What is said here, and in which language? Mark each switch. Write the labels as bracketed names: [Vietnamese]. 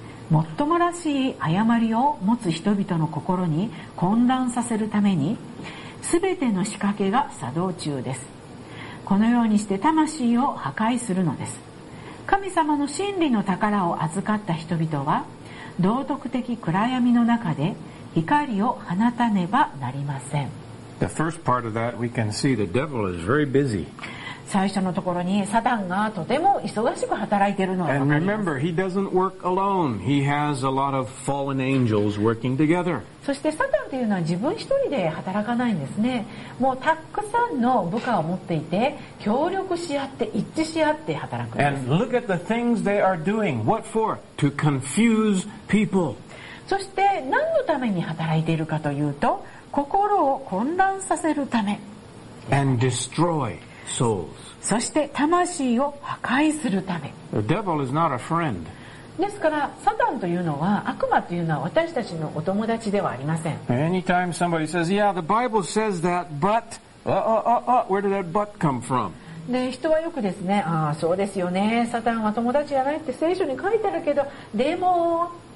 [Japanese] もっともらしい誤りを持つ人々の心に混乱させるために、すべての仕掛けが作動中です。このようにして魂を破壊するのです。神様の真理の宝を預かった人々は、道徳的暗闇の中で光を放たねばなりません。 [English] The first part of that, we can see the devil is very busy. [Japanese] 最初のところにサタンがとても忙しく働いているのが分かります。 [English] And remember, he doesn't work alone. He has a lot of fallen angels working together. [Japanese] そしてサタンというのは自分一人で働かないんですね。もうたくさんの部下を持っていて、協力し合って一致し合って働くんです。 [English] And look at the things they are doing. What for? To confuse people. [Japanese] そして何のために働いているかというと、心を混乱させるため。 [English] And destroy souls. [Japanese] そして魂を破壊するため。 [English] The devil is not a friend. [Japanese] ですからサタンというのは、悪魔というのは私たちのお友達ではありません。 [English] Anytime somebody says, yeah, the Bible says that, but, where did that but come from? [Japanese] で、人はよくですね、ああ、そうですよね、サタンは友達じゃないって聖書に書いてあるけど、でも、